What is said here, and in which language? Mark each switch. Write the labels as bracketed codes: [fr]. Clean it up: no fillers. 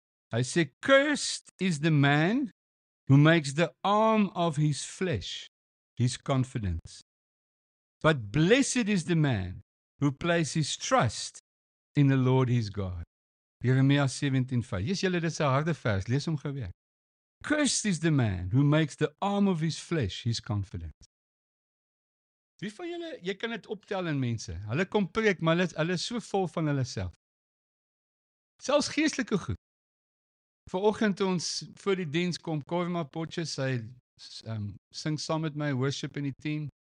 [af] Hy sê, [en] cursed is the man who makes the arm of his flesh his confidence. But blessed is the man who places trust in the Lord his God. [af] Jeremia 17 vers. Jees julle, dit is 'n harde vers, lees hom geweer. [en] Cursed is the man who makes the arm of his flesh his confidence. [af] Wie van julle, jy kan dit optel in mense. Hulle kom preek, maar hulle is so vol van hulle self. Selfs geestelike goed. Vanoggend toe ons voor die diens kom, Korma Potjes, hy sing saam met my worship in die team.